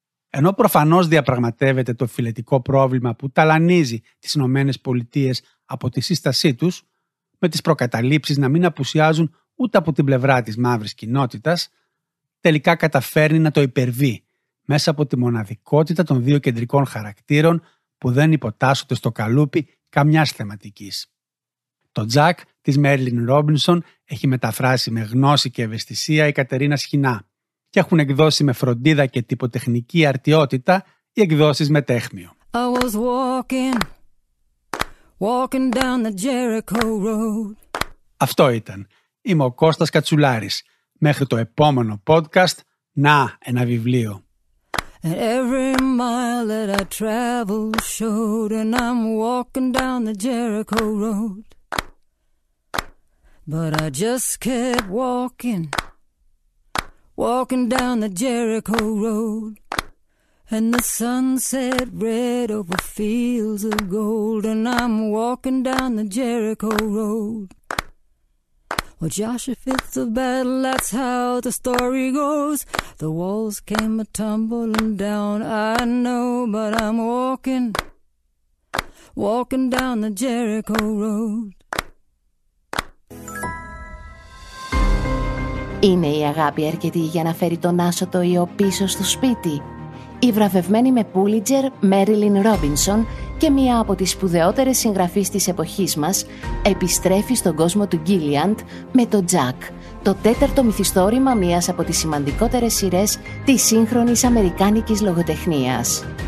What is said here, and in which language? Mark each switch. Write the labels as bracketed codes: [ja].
[el] Ενώ προφανώς διαπραγματεύεται το φυλετικό πρόβλημα που ταλανίζει τις Ηνωμένες Πολιτείες από τη σύστασή τους, με τις προκαταλήψεις να μην απουσιάζουν ούτε από την πλευρά της μαύρης κοινότητας, τελικά καταφέρνει να το υπερβεί μέσα από τη μοναδικότητα των δύο κεντρικών χαρακτήρων που δεν υποτάσσονται στο καλούπι καμιάς θεματικής. Το Τζακ της Μέρλιν Ρόμπινσον έχει μεταφράσει με γνώση και ευαισθησία η Κατερίνα Σχοινά και έχουν εκδώσει με φροντίδα και τυποτεχνική αρτιότητα οι εκδόσεις Μετέχμιο. [en] I was walking down the Jericho Road. [el] Αυτό ήταν. Είμαι ο Κώστας Κατσουλάρης. Μέχρι το επόμενο podcast, να ένα βιβλίο. [en] And every mile that I travel showed, and I'm walking down the Jericho Road. But I just kept walking, walking down the Jericho Road. And the sun set red over fields of gold, and I'm walking down the Jericho Road. Well, Joshua fit the battle, that's how the story goes. The walls came a-tumbling down, I know, but I'm walking, walking down the Jericho Road. [el] Είναι η αγάπη αρκετή για να φέρει τον άσωτο ιό πίσω στο σπίτι. Η βραβευμένη με Πούλιτζερ Μέριλιν Ρόμπινσον και μία από τις σπουδαιότερες συγγραφείς της εποχής μας επιστρέφει στον κόσμο του Γκίλιαντ με το Τζακ, το τέταρτο μυθιστόρημα μίας από τις σημαντικότερες σειρές της σύγχρονης αμερικάνικης λογοτεχνίας.